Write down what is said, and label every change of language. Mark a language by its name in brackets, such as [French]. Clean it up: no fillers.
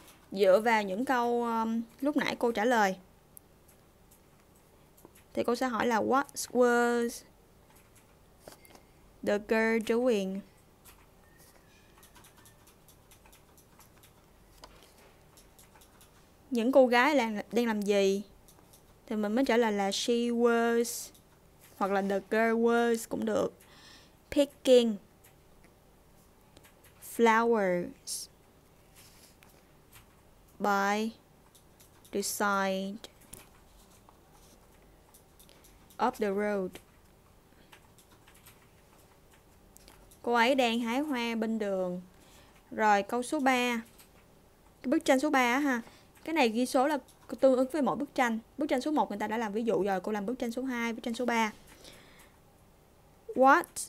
[Vietnamese] Dựa vào những câu lúc nãy cô trả lời thì cô sẽ hỏi là [English] what was the girl doing? [Vietnamese] Những cô gái là đang làm gì? Thì mình mới trả lời là [English] she was, [Vietnamese] hoặc là [English] the girl was [Vietnamese] cũng được. [English] Picking flowers by the side of the road. [Vietnamese] Cô ấy đang hái hoa bên đường. Rồi câu số 3. Cái bức tranh số 3 á ha. Cái này ghi số là tương ứng với mỗi bức tranh. Bức tranh số 1 người ta đã làm ví dụ rồi, cô làm bức tranh số 2, bức tranh số 3. What?